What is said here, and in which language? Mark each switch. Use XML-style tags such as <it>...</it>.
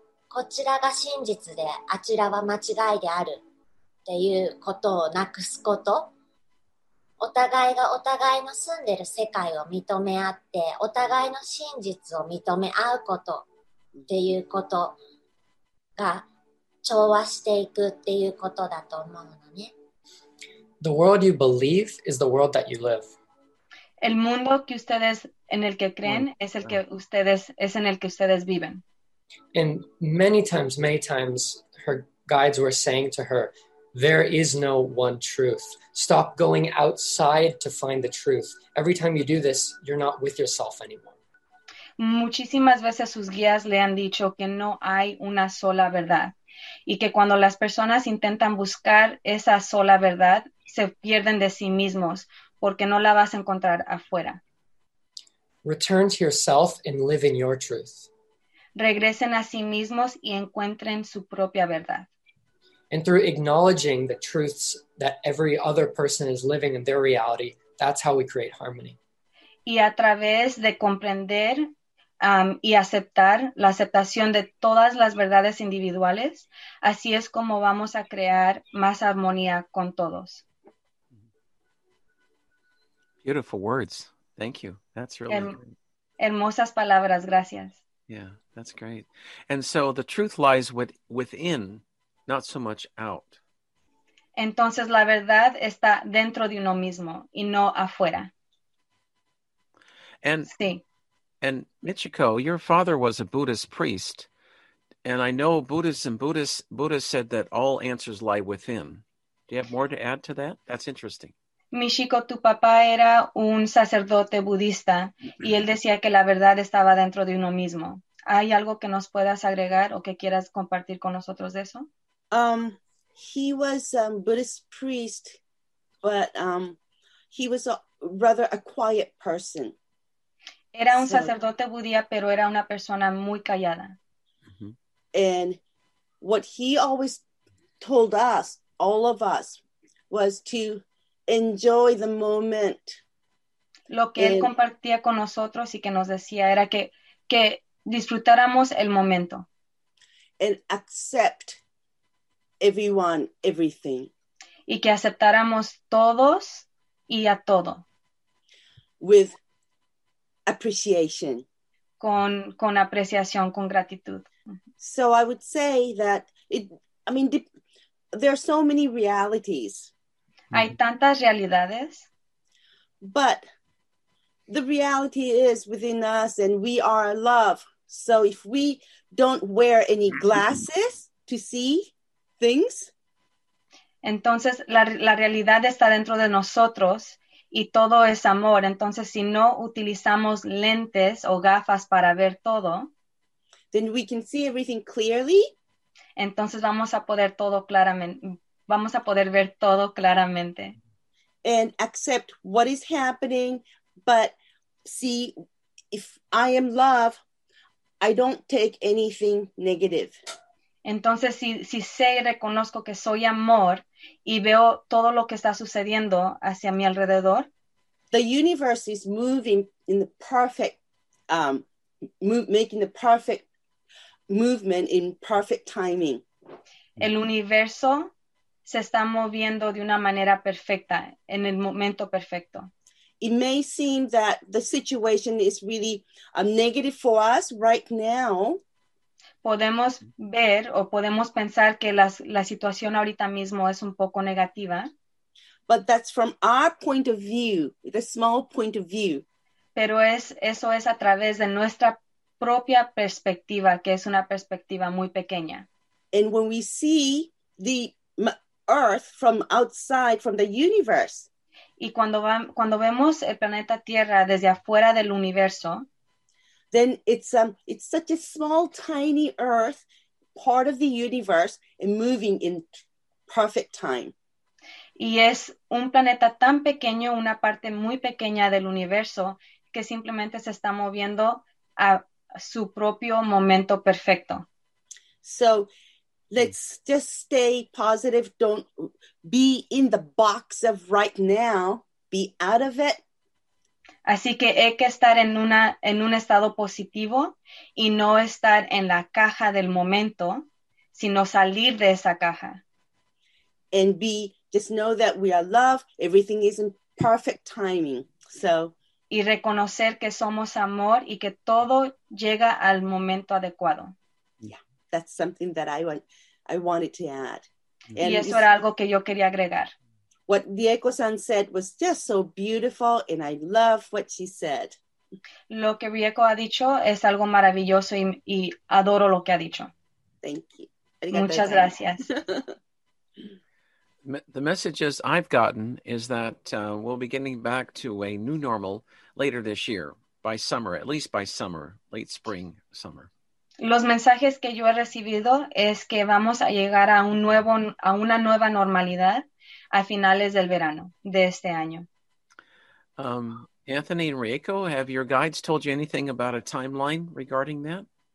<ja>こちらが真実で、あちらは間違いであるっていうことをなくすこと。お互いがお互いの住んでる世界を認め合って、お互いの真実を認め合うことっていうことが調和していくっていうことだと思うのね。</ja> <en>The world you believe is the world that you live.</en> <es>El mundo que ustedes en el que creen es el que ustedes es en el que ustedes viven.</es> <en>And many times her guides were saying to her, there is no one truth. Stop going outside to find the truth. Every time you do this, you're not with yourself anymore.</en> <es>Muchísimas veces sus guías le han dicho que no hay una sola verdad y que cuando las personas intentan buscar esa sola verdad, se pierden de sí mismos. Porque no la vas a encontrar afuera.</es> <en>Return to yourself and live in your truth.</en> <es>Regresen a sí mismos y encuentren su propia verdad.</es> <en>And through acknowledging the truths that every other person is living in their reality, that's how we create harmony.</en> <es>Y a través de comprender y aceptar la aceptación de todas las verdades individuales, así es como vamos a crear más armonía con todos.</es> <en>Beautiful words. Thank you. That's really</en> <es>hermosas palabras. Gracias.</es> <en>Yeah, that's great. And so the truth lies within, not so much out.</en> <es>Entonces la verdad está dentro de uno mismo y no afuera.</es> <en>And,</en> <es>sí.</es> <en>And Michiko, your father was a Buddhist priest. And I know Buddhists said that all answers lie within. Do you have more to add to that? That's interesting.</en> <es>Michiko, tu papá era un sacerdote budista y él decía que la verdad estaba dentro de uno mismo. ¿Hay algo que nos puedas agregar o que quieras compartir con nosotros de eso?</es> <en>He was a Buddhist priest, but he was a rather a quiet person.</en> <es>Era un sacerdote budía, pero era una persona muy callada. Mm-hmm.</es> <en>And what he always told us, all of us, was to enjoy the moment.</en> <es>Lo que él compartía con nosotros y que nos decía era que disfrutáramos el momento.</es> <en>And accept everyone, everything.</en> <es>Y que aceptáramos todos y a todo.</es> <en>With appreciation.</en> <es>Con apreciación, con gratitud.</es> <en>So I would say that there are so many realities.</en> <es>Mm-hmm. Hay tantas realidades.</es> <en>But the reality is within us and we are love. So if we don't wear any glasses to see things.</en> <es>Entonces la realidad está dentro de nosotros y todo es amor. Entonces si no utilizamos lentes o gafas para ver todo.</es> <en>Then we can see everything clearly.</en> <es>Entonces vamos a poder todo claramente. Vamos a poder ver todo claramente.</es> <en>And accept what is happening, but see, if I am love, I don't take anything negative.</en> <es>Entonces, si sé y reconozco que soy amor y veo todo lo que está sucediendo hacia mi alrededor.</es> <en>The universe is moving in the perfect, making the perfect movement in perfect timing.</en> <es>El universo se está moviendo de una manera perfecta, en el momento perfecto.</es> <en>It may seem that the situation is really a negative for us right now.</en> <es>Podemos ver o podemos pensar que la situación ahorita mismo es un poco negativa.</es> <en>But that's from our point of view, the small point of view.</en> <es>Pero eso es a través de nuestra propia perspectiva, que es una perspectiva muy pequeña.</es> <en>And when we see the Earth from outside, from the universe.</en> <es>Y cuando cuando vemos el planeta Tierra desde afuera del universo,</es> <en>then it's such a small, tiny Earth, part of the universe, and moving in perfect time.</en> <es>Y es un planeta tan pequeño, una parte muy pequeña del universo, que simplemente se está moviendo a su propio momento perfecto.</es> <en>So, let's just stay positive. Don't be in the box of right now. Be out of it.</en> <es>Así que hay que estar en un estado positivo y no estar en la caja del momento, sino salir de esa caja.</es> <en>And be, just know that we are love. Everything is in perfect timing. So,</en> <es>y reconocer que somos amor y que todo llega al momento adecuado.</es> <en>Yeah, that's something that I wanted to add.</en> <es>And y eso era algo que yo quería agregar.</es> <en>What Rieko-san said was just so beautiful, and I love what she said.</en> <es>Lo que Rieko ha dicho es algo maravilloso y adoro lo que ha dicho.</es> <en>Thank you.</en> <es>Arigato. Muchas gracias.</es> <en>The messages I've gotten is that we'll be getting back to a new normal later this year, by summer, at least by summer, late spring, summer.</en> <es>Los mensajes que yo he recibido es que vamos a llegar a un nuevo, a una nueva normalidad a finales del verano de este año.</es> <en>Anthony and Rieko, have your guides told you anything about a timeline regarding that?</en>